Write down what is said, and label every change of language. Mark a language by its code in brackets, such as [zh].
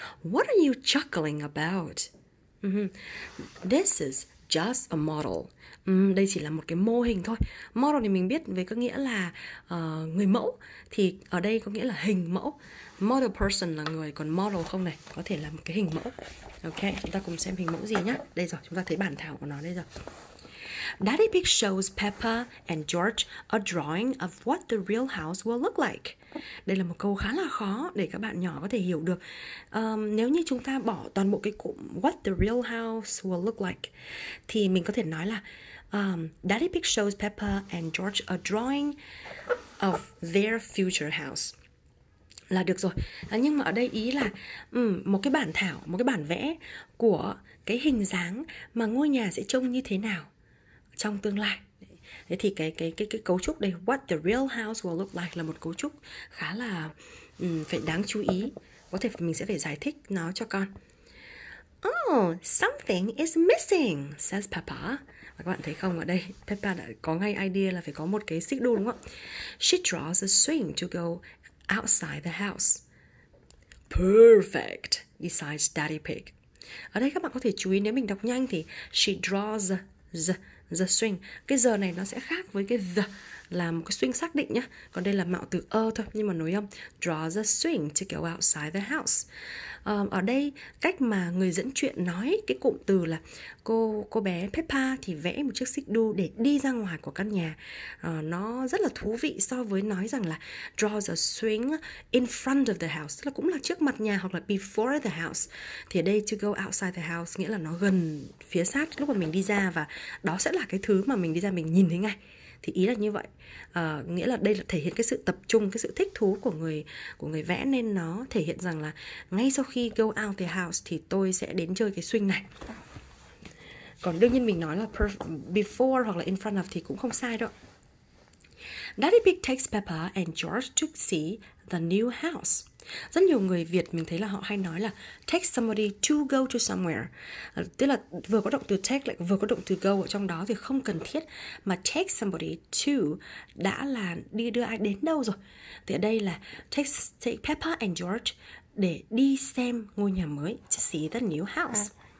[en] What are you chuckling about? This is just a model. [vi] Đây chỉ là một cái mô hình thôi. Model thì mình biết với có nghĩa là người mẫu. Thì ở đây có nghĩa là hình mẫu. Model person là người, còn model không này, có thể là một cái hình mẫu. Ok, chúng ta cùng xem hình mẫu gì nhá. Đây rồi, chúng ta thấy bản thảo của nó đây rồi. [en] Daddy Pig shows Peppa and George a drawing of what the real house will look like. [vi] Đây là một câu khá là khó để các bạn nhỏ có thể hiểu được. Nếu như chúng ta bỏ toàn bộ cái cụm [en] what the real house will look like, [vi] thì mình có thể nói là [en] Daddy Pig shows Peppa and George a drawing of their future house. [vi] Là được rồi. Nhưng mà ở đây ý là một cái bản thảo, một cái bản vẽ của cái hình dáng mà ngôi nhà sẽ trông như thế nào trong tương lai. Thế thì cái cấu trúc đây, [en] what the real house will look like, [vi] là một cấu trúc khá là phải đáng chú ý. Có thể mình sẽ phải giải thích nó cho con. [en] Oh, something is missing, says Peppa. [vi] Và các bạn thấy không, ở đây Peppa đã có ngay idea là phải có một cái xích đu đúng không? [en] She draws a swing to go outside the house. Perfect, decides Daddy Pig. [vi] Ở đây các bạn có thể chú ý, nếu mình đọc nhanh thì [en] she draws the swing. [vi] Cái giờ này nó sẽ khác với cái the, là một cái swing xác định nhá. Còn đây là mạo từ thôi, nhưng mà nối âm [en] draw the swing to go outside the house. [vi] Ở đây cách mà người dẫn chuyện nói cái cụm từ là cô bé Peppa thì vẽ một chiếc xích đu để đi ra ngoài của căn nhà, nó rất là thú vị so với nói rằng là [en] draw the swing in front of the house, [vi] tức là cũng là trước mặt nhà hoặc là [en] before the house. [vi] Thì ở đây [en] to go outside the house [vi] nghĩa là nó gần phía sát lúc mà mình đi ra, và đó sẽ là cái thứ mà mình đi ra mình nhìn thấy ngay. Thì ý là như vậy, nghĩa là đây là thể hiện cái sự tập trung, cái sự thích thú của người vẽ, nên nó thể hiện rằng là ngay sau khi [en] go out the house [vi] thì tôi sẽ đến chơi cái swing này. Còn đương nhiên mình nói là before hoặc là in front of thì cũng không sai đâu. [en] Daddy Pig takes Peppa and George to see the new house. [vi] Rất nhiều người Việt mình thấy là họ hay nói là [en] take somebody to go to somewhere. [vi] Tức là vừa có động từ take lại vừa có động từ go ở trong đó, thì không cần thiết, mà [en] take somebody to [vi] đã là đi đưa ai đến đâu rồi. Thì ở đây là [en] take Peppa and George [vi] để đi xem ngôi nhà mới, [en] to see the new house.